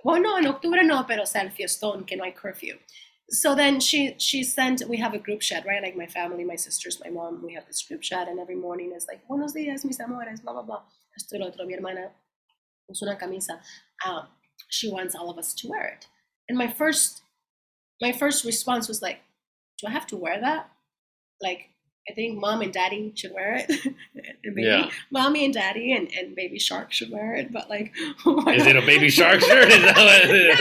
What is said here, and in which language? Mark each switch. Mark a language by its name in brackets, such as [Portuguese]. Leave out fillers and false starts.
[Spanish] Bueno, en octubre no, pero es el fiestón que no hay curfew. [English] So then she sent, we have a group chat, right? Like my family, my sisters, my mom, we have this group chat, and every morning it's like, [Spanish] buenos días, mis amores, [English] blah, blah, blah. [Spanish] Esto y lo otro, mi hermana, es una camisa. [English] She wants all of us to wear it. And my first response was like, do I have to wear that? Like, I think mom and daddy should wear it. Yeah. Mommy and daddy and baby shark should wear it. But like, is it a baby shark shirt? Is that what it is?